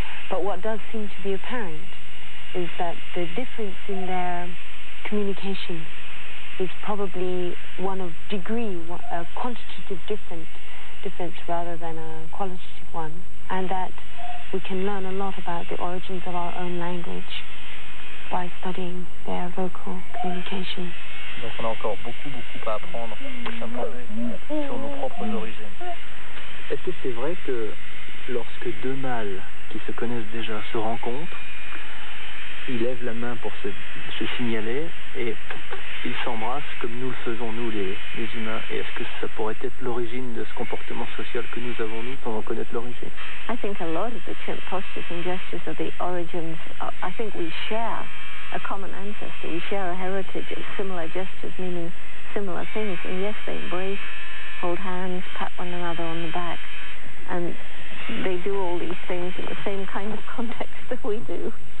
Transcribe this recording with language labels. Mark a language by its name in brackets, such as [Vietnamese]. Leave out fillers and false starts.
[English] But what does seem to be apparent is that the difference in their communication is probably one of degree, a quantitative difference rather than a qualitative one, and that we can learn a lot about the origins of our own language by studying their vocal communication. [French] Donc on a encore beaucoup à apprendre sur nos propres origines. Est-ce que c'est vrai que lorsque deux mâles qui se connaissent déjà se rencontrent, ils lèvent la main pour se signaler et ils s'embrassent comme nous le faisons, nous les humains? Et est-ce que ça pourrait être l'origine de ce comportement social que nous avons, nous, sans en connaître l'origine? [English] I think a lot of the chimp postures and gestures are the origins. I think we share a common ancestor, we share a heritage of similar gestures, meaning similar things. And yes, they embrace, hold hands, pat one another on the back, and they do all these things in the same kind of context that we do.